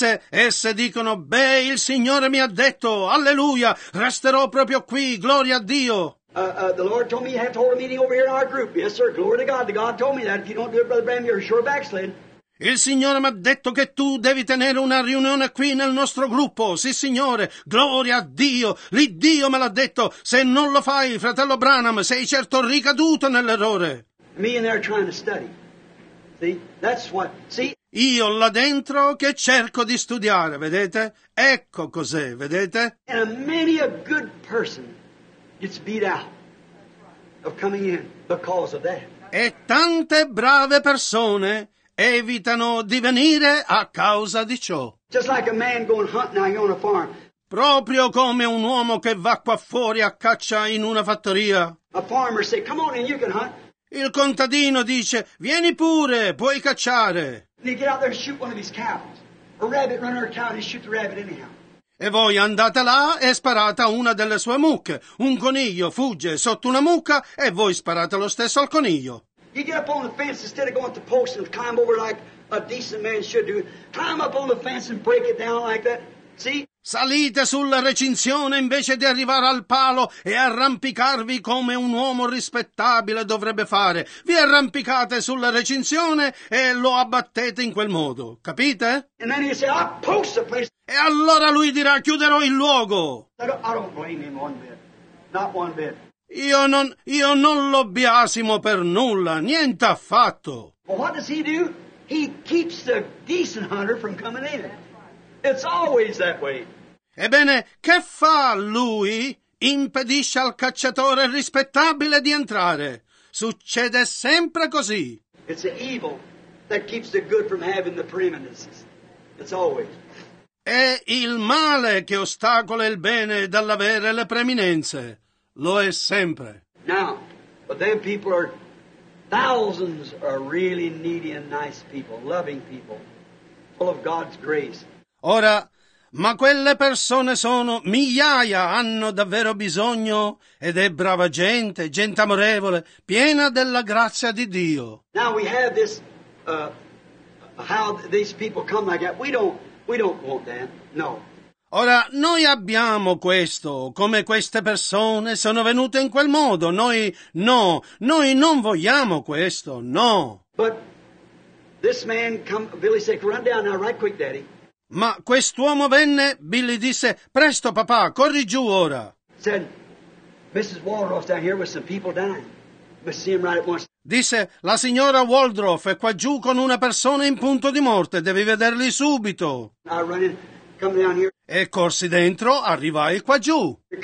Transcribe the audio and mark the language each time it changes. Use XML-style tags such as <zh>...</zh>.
<it>Esse dicono, beh, il Signore mi ha detto, alleluia, resterò proprio qui, gloria a Dio.</it> <en>The Lord told me you have to hold a meeting over here in our group. Yes, sir, glory to God. The God told me that. If you don't do it, Brother Branham, you're sure backslid.</en> <it>Il Signore mi ha detto che tu devi tenere una riunione qui nel nostro gruppo. Sì, Signore, gloria a Dio. L'Iddio me l'ha detto. Se non lo fai, fratello Branham, sei certo ricaduto nell'errore.</it> <en>Me and they're trying to study. See, that's what, see?</en> <it>Io là dentro che cerco di studiare, vedete? Ecco cos'è, vedete?</it> <en>And many a good person gets beat out of coming in because of that.</en> <it>E tante brave persone evitano di venire a causa di ciò.</it> <en>Just like a man going hunting out here on a farm.</en> <it>Proprio come un uomo che va qua fuori a caccia in una fattoria.</it> <en>A farmer say, come on in, you can hunt.</en> <it>Il contadino dice, vieni pure, puoi cacciare.</it> <en>And you get out there and shoot one of these cows. A rabbit runner a cow and shoot the rabbit anyhow.</en> <it>E voi andate là e sparate una delle sue mucche. Un coniglio fugge sotto una mucca e voi sparate lo stesso al coniglio.</it> <en>You get up on the fence instead of going to post and climb over like a decent man should do. Climb up on the fence and break it down like that. See?</en> <it>Salite sulla recinzione invece di arrivare al palo e arrampicarvi come un uomo rispettabile dovrebbe fare. Vi arrampicate sulla recinzione e lo abbattete in quel modo. Capite?</it> <en>And then he said, I'll post the place.</en> <it>E allora lui dirà, chiuderò il luogo.</it> <en>I don't blame him one bit. Not one bit.</en> <it>Io non lo biasimo per nulla, niente affatto.</it> <en>Well, what does he do? He keeps the decent hunter from coming in. It's always that way.</en> <it>Ebbene, che fa lui? Impedisce al cacciatore rispettabile di entrare. Succede sempre così.</it> <en>It's the evil that keeps the good from having the preeminence. It's always.</en> <it>È il male che ostacola il bene dall'avere le preminenze. Lo è sempre.</it> <en>Now, but then people are, thousands are really needy and nice people, loving people, full of God's grace.</en> <it>Ora, ma quelle persone sono migliaia, hanno davvero bisogno, ed è brava gente, gente amorevole, piena della grazia di Dio.</it> <en>Now we have this, how these people come like that. We don't want that, no.</en> <it>Ora, noi abbiamo questo, come queste persone sono venute in quel modo. Noi non vogliamo questo, no.</it> <en>But this man come, Billy said, run down now, right quick, daddy.</en> <it>Ma quest'uomo venne, Billy disse, presto papà, corri giù ora.</it> <en>Said, Mrs. Waldorf's down here with some people dying. Let's see him right at once.</en> <it>Disse, la signora Waldorf è qua giù con una persona in punto di morte, devi vederli subito.</it> <en>I run in, come down here. E corsi dentro, arrivai qua giù.</en>